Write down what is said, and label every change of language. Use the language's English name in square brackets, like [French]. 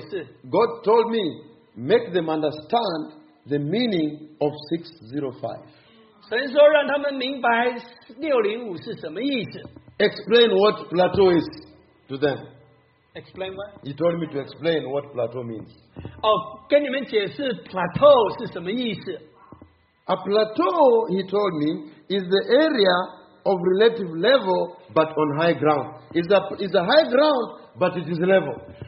[English] God told me make them understand the meaning of 605. [Chinese] 神说让他们明白605是什么意思. [English] Explain what plateau is. To them. Explain what? You told me to explain what plateau means. [Chinese] Oh, 跟你们解释 plateau 是什么意思? [English] A plateau, he told me, is the area of relative level but on high ground. It's a high ground but it is level.